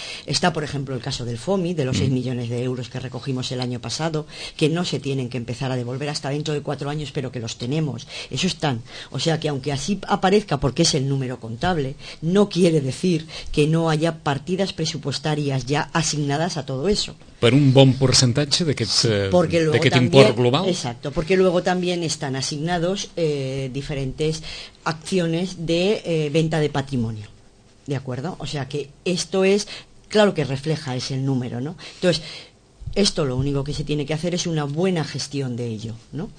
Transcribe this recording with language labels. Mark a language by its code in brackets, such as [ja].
[es] Está, por ejemplo, el caso del FOMI, de los 6 millones de euros que recogimos el año pasado, que no se tienen que empezar a devolver hasta dentro de 4 años, pero que los tenemos. Eso están. O sea que, aunque así aparezca porque es el número contable, no quiere decir que no haya partidas presupuestarias ya asignadas a todo eso. [ca] Per un bon percentatge d'aquest import global. [es] Exacto, porque luego también están asignados diferentes acciones de venta de patrimonio. ¿De acuerdo? O sea que esto es, claro que refleja, es el número, ¿no? Entonces, esto lo único que se tiene que hacer es una buena gestión de ello, ¿no?